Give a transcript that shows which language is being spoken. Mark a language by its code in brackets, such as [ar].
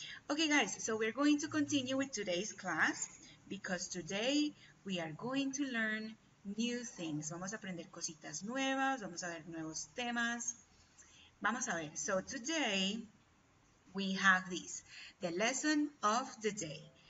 [en] Okay, guys, so we're going to continue with today's class because today we are going to learn new things. [es] Vamos a aprender cositas nuevas, vamos a ver nuevos temas. Vamos a ver. [en] So today we have this, the lesson of the day.